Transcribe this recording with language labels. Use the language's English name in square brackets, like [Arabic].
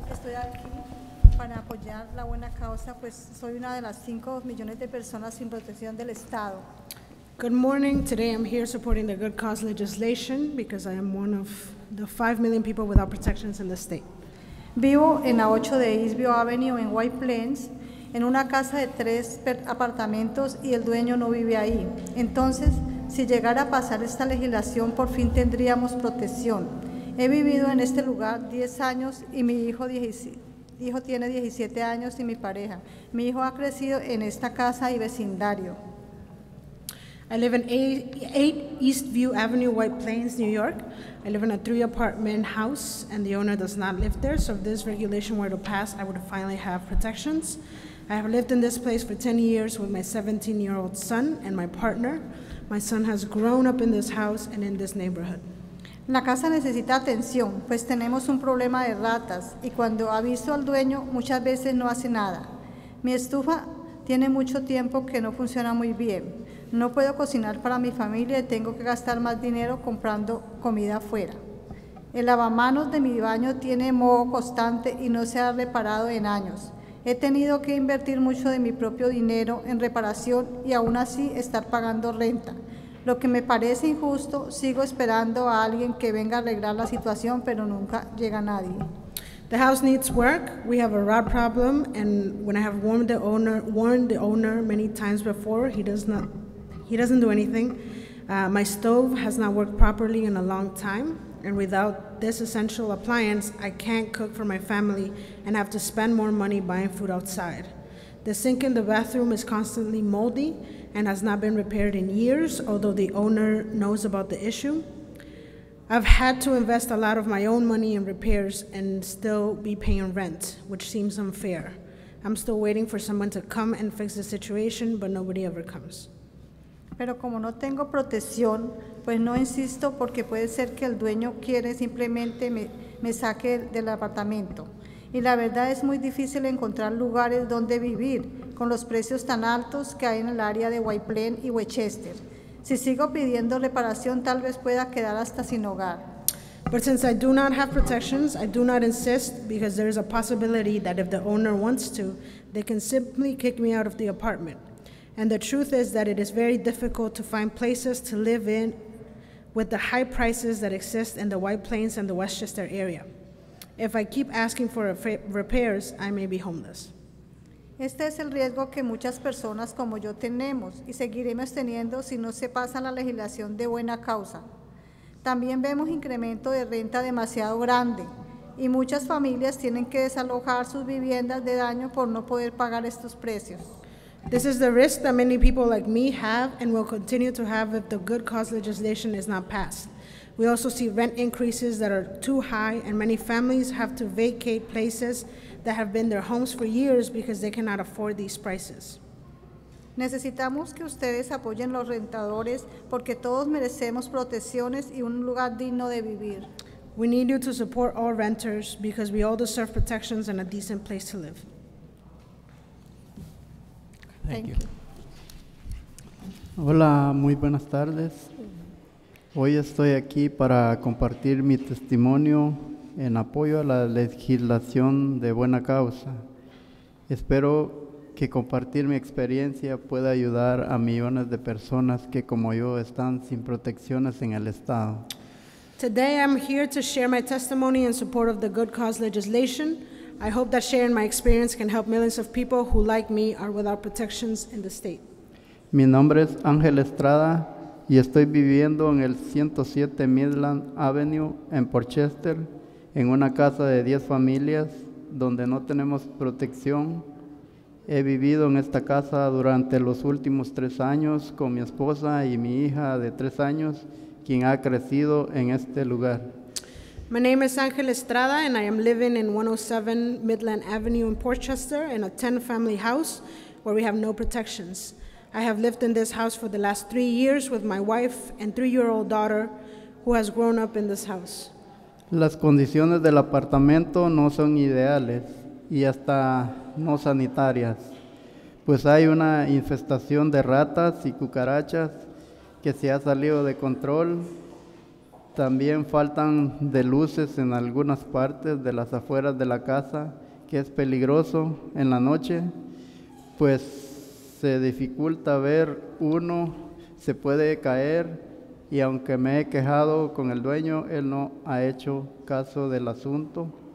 [Spanish] Estoy aquí para apoyar la buena causa, pues soy una de las 5 millones de personas sin protección del Estado. [English] Good morning. Today I'm here supporting the good cause legislation because I am one of the 5 million people without protections in the state. [Spanish] Vivo en la 8 de Eastview Avenue en White Plains, en una casa de 3 apartamentos y el dueño no vive ahí. Entonces, si llegara a pasar esta legislación, por fin tendríamos protección. He vivido en este lugar 10 años y mi hijo, tiene 17 años y mi pareja. Mi hijo ha crecido en esta casa y vecindario. [English] I live in 8 Eastview Avenue, White Plains, New York. I live in a 3-apartment house and the owner does not live there. So if this regulation were to pass, I would finally have protections. I have lived in this place for 10 years with my 17-year-old son and my partner. My son has grown up in this house and in this neighborhood. [Spanish] La casa necesita atención, pues tenemos un problema de ratas y cuando aviso al dueño, muchas veces no hace nada. Mi estufa tiene mucho tiempo que no funciona muy bien. No puedo cocinar para mi familia y tengo que gastar más dinero comprando comida afuera. El lavamanos de mi baño tiene moho constante y no se ha reparado en años. He tenido que invertir mucho de mi propio dinero en reparación y aún así estar pagando renta. Lo que me parece injusto, sigo esperando a alguien que venga a arreglar la situación, pero nunca llega nadie. [English] The house needs work. We have a rat problem, and when I have warned the owner many times before, he doesn't do anything. My stove has not worked properly in a long time, and without this essential appliance, I can't cook for my family and have to spend more money buying food outside. The sink in the bathroom is constantly moldy and has not been repaired in years, although the owner knows about the issue. I've had to invest a lot of my own money in repairs and still be paying rent, which seems unfair. I'm still waiting for someone to come and fix the situation, but nobody ever comes. [Spanish] Pero como no tengo protección, pues no insisto porque puede ser que el dueño quiere simplemente me saque del apartamento. Y la verdad es muy difícil encontrar lugares donde vivir con los precios tan altos que hay en el área de White Plains y Westchester. Si sigo pidiendo reparación, tal vez pueda quedar hasta sin hogar. [English] But since I do not have protections, I do not insist because there is a possibility that if the owner wants to, they can simply kick me out of the apartment. And the truth is that it is very difficult to find places to live in with the high prices that exist in the White Plains and the Westchester area. If I keep asking for repairs, I may be homeless. [Spanish] Este es el riesgo que muchas personas como yo tenemos y seguiremos teniendo si no se pasa la legislación de buena causa. También vemos incremento de renta demasiado grande y muchas familias tienen que desalojar sus viviendas de daño por no poder pagar estos precios. [English] This is the risk that many people like me have and will continue to have if the good cause legislation is not passed. We also see rent increases that are too high and many families have to vacate places that have been their homes for years because they cannot afford these prices. [Spanish] Necesitamos que ustedes apoyen los rentadores porque todos merecemos protecciones y un lugar digno de vivir. [English] We need you to support all renters because we all deserve protections and a decent place to live. Thank you. [Spanish] Hola, muy buenas tardes. Hoy estoy aquí para compartir mi testimonio en apoyo a la legislación de buena causa. Espero que compartir mi experiencia pueda ayudar a millones de personas que como yo están sin protecciones en el estado. [English] Today I'm here to share my testimony in support of the good cause legislation. I hope that sharing my experience can help millions of people who, like me, are without protections in the state. [Spanish] Mi nombre es Ángel Estrada, y estoy viviendo en el 107 Midland Avenue en Porchester, en una casa de 10 familias donde no tenemos protección. He vivido en esta casa durante los últimos 3 años con mi esposa y mi hija de 3 años, quien ha crecido en este lugar. [English] My name is Ángel Estrada, and I am living in 107 Midland Avenue in Porchester in a 10-family house where we have no protections. I have lived in this house for the last 3 years with my wife and 3-year-old daughter who has grown up in this house. [Spanish] Las condiciones del apartamento no son ideales y hasta no sanitarias, pues hay una infestación de ratas y cucarachas que se ha salido de control. También faltan de luces en algunas partes de las afueras de la casa, que es peligroso en la noche, pues se dificulta ver uno, se puede caer, y aunque me he quejado con el dueño, él no ha hecho caso del asunto.